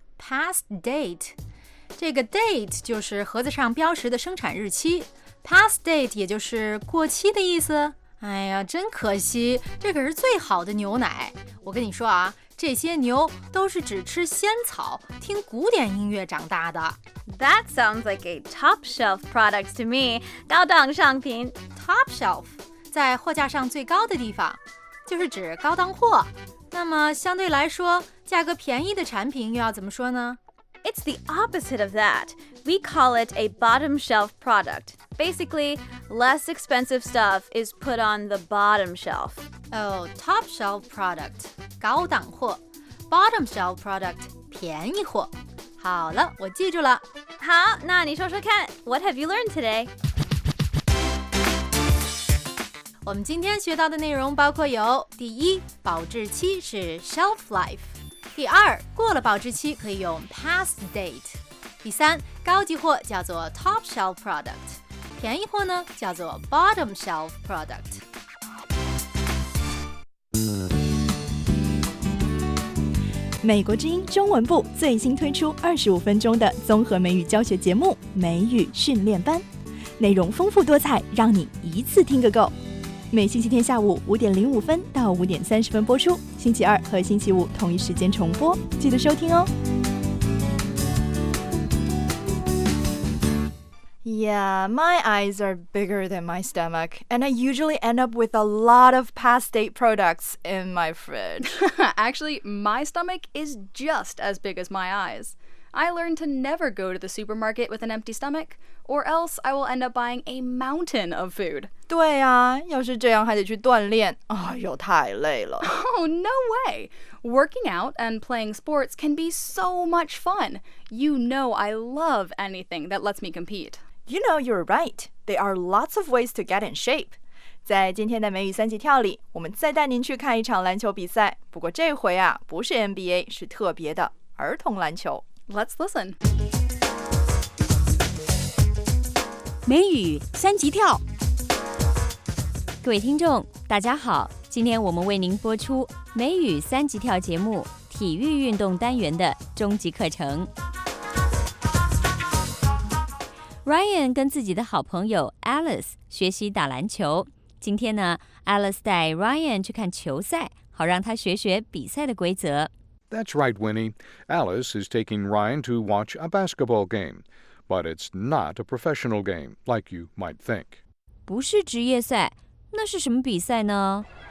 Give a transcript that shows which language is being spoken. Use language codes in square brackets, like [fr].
[zh] Past date. 这个 date 就是盒子上标识的生产日期。 Past date 也就是过期的意思。哎呀，真可惜，这可是最好的牛奶。我跟你说啊，这些牛都是只吃仙草，听古典音乐长大的。 [en] That sounds like a top shelf product to me. [zh] 高档商品。 Top shelf， 在货架上最高的地方，就是指高档货。那么相对来说，价格便宜的产品又要怎么说呢？ [en] It's the opposite of that. We call it a bottom shelf product. Basically, less expensive stuff is put on the bottom shelf. Oh, top shelf product, [zh] 高档货。 [en] Bottom shelf product, [zh] 便宜货。好了，我记住了。好，那你说说看， [en] what have you learned today? [zh] 我们今天学到的内容包括有第一，保质期是 shelf life 第二，过了保质期可以用 past date 第三，高级货叫做 top shelf product 便宜货呢叫做 bottom shelf product 美国之音中文部最新推出25分钟的综合美语教学节目美语训练班，内容丰富多彩，让你一次听个够。每星期天下午5:05到5:30播出，星期二和星期五同一时间重播，记得收听哦。 [en] Yeah, my eyes are bigger than my stomach, and I usually end up with a lot of past date products in my fridge. Actually, my stomach is just as big as my eyes. I learned to never go to the supermarket with an empty stomach, or else I will end up buying a mountain of food. [zh] 对啊，要是这样还得去锻炼，哎呦，太累了。 [en] Oh, no way! Working out and playing sports can be so much fun. You know I love anything that lets me compete. You know you're right. There are lots of ways to get in shape. [zh] 在今天的美语三级跳里，我们再带您去看一场篮球比赛。不过这回啊，不是 NBA， 是特别的儿童篮球。 [en] Let's listen. [zh] 美语三级跳。各位听众大家好，今天我们为您播出美语三级跳节目体育运动单元的终极课程。 Ryan 跟自己的好朋友 Alice 学习打篮球，今天呢 Alice 带 Ryan 去看球赛，好让他学学比赛的规则。 [en] That's right, Winnie. Alice is taking Ryan to watch a basketball game, but it's not a professional game like you might think. [zh] 不是职业赛，那是什么比赛呢？